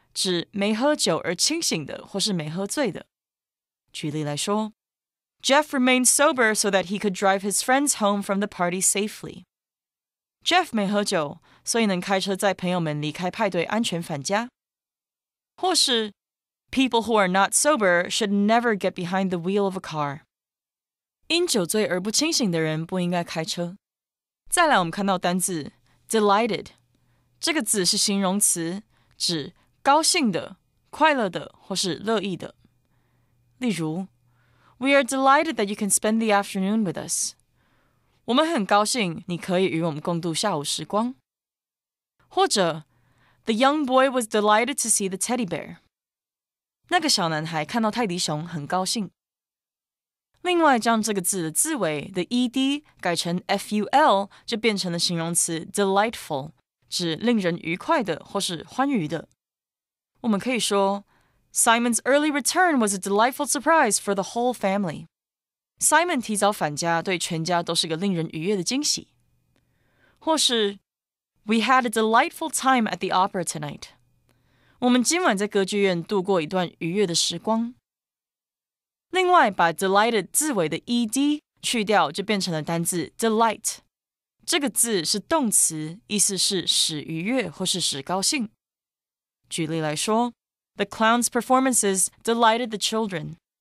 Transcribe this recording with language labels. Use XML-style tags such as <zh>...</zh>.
<zh>指没喝酒而清醒的或是没喝醉的。举例来说</zh> <en>,Jeff remained sober so that he could drive his friends home from the party safely.</en> <zh>Jeff 没喝酒所以能开车载朋友们离开派对安全返家。或是</zh> <en>,People who are not sober should never get behind the wheel of a car.</en> <zh>因酒醉而不清醒的人不应该开车。再来我们看到单字 ,delighted。这个字是形容词指高兴的、快乐的或是乐意的。例如</zh> <en>,We are delighted that you can spend the afternoon with us.</en> <zh>我们很高兴你可以与我们共度下午时光。或者</zh> <en>,The young boy was delighted to see the teddy bear.</en> <zh>那个小男孩看到泰迪熊很高兴。另外将这个字的字尾 ,the ed, 改成 ful, 就变成了形容词 delightful, 指令人愉快的或是欢愉的。我们可以说</zh> <en>,Simon's early return was a delightful surprise for the whole family.</en> <zh>Simon 提早返家对全家都是个令人愉悦的惊喜。或是</zh> <en>,We had a delightful time at the opera tonight.</en> <zh>我们今晚在歌剧院度过一段愉悦的时光。另外把 delighted 字尾的 ed 去掉就变成了单字 delight。这个字是动词意思是使愉悦或是使高兴。举例来说</zh> <en>,The clown's performances delighted the children.</en>